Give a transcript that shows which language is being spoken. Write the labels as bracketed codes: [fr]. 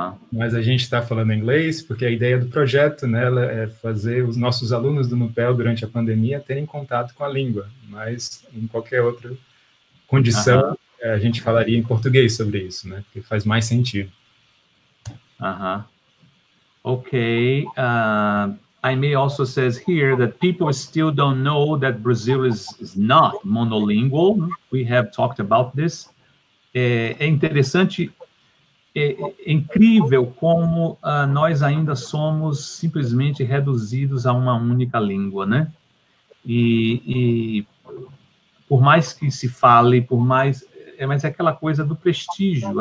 [pt] Mas a gente está falando inglês porque a ideia do projeto, né, é fazer os nossos alunos do Nupel durante a pandemia terem contato com a língua, mas em qualquer outra condição a gente falaria em português sobre isso, né, porque faz mais sentido. [en] Ok, Aimee also says here that people still don't know that Brazil is not monolingual. We have talked about this. [pt] É interessante. É incrível como nós ainda somos simplesmente reduzidos a uma única língua, né? E por mais que se fale, mas é aquela coisa do prestígio.